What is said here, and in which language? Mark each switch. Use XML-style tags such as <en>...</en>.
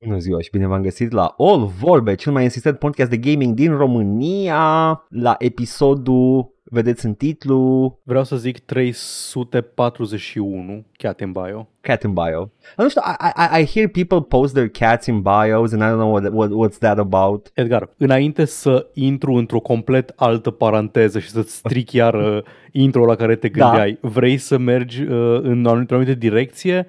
<ro>Bună ziua și bine v-am găsit la All Vorbe, cel mai insistent podcast de gaming din România, la episodul, vedeți în titlu... Vreau să zic 341,</ro> <en>cat in bio. Cat in bio. I don't know, I hear people post their cats in bios and I don't know what's that about.</en> <ro>Edgar, înainte să intru într-o complet altă paranteză și să-ți stric iar intro la care te gândeai, da. Vrei să mergi într-o anumită direcție?</ro>